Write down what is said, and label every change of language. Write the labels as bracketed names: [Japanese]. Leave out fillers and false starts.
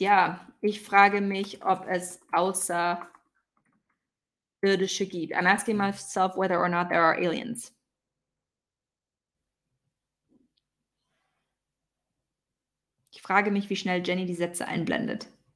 [German] Ja, ich frage mich, ob es Außerirdische gibt. [English] I'm asking myself whether or not there are aliens. [German] Ich frage mich, wie schnell Jenny die Sätze einblendet.